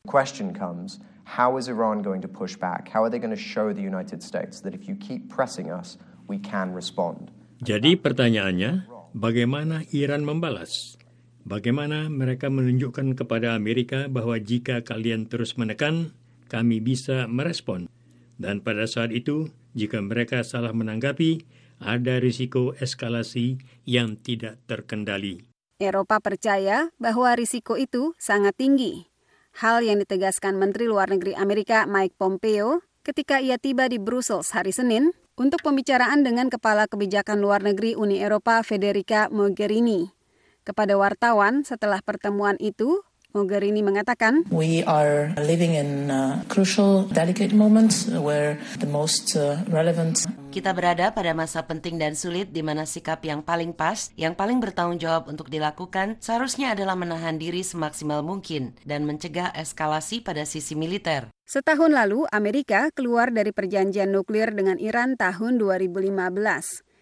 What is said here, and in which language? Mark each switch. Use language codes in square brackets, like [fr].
[en] Question comes, how is Iran going to push back? How are they going to show the United States that if you keep pressing us, we can respond? [id] Jadi pertanyaannya, bagaimana Iran membalas? Bagaimana mereka menunjukkan kepada Amerika bahwa jika kalian terus menekan, kami bisa merespon? Dan pada saat itu, jika mereka salah menanggapi, ada risiko eskalasi yang tidak terkendali. Eropa percaya bahwa risiko itu sangat tinggi. Hal yang ditegaskan Menteri Luar Negeri Amerika Mike Pompeo ketika ia tiba di Brussels hari Senin untuk pembicaraan dengan Kepala Kebijakan Luar Negeri Uni Eropa Federica Mogherini. Kepada wartawan setelah pertemuan itu, Mogherini mengatakan, [en] "We are living in a crucial, delicate moment where the most relevant." [id] Kita berada pada masa penting dan sulit di mana sikap yang paling pas, yang paling bertanggung jawab untuk dilakukan, seharusnya adalah menahan diri semaksimal mungkin dan mencegah eskalasi pada sisi militer. Setahun lalu, Amerika keluar dari perjanjian nuklir dengan Iran tahun 2015.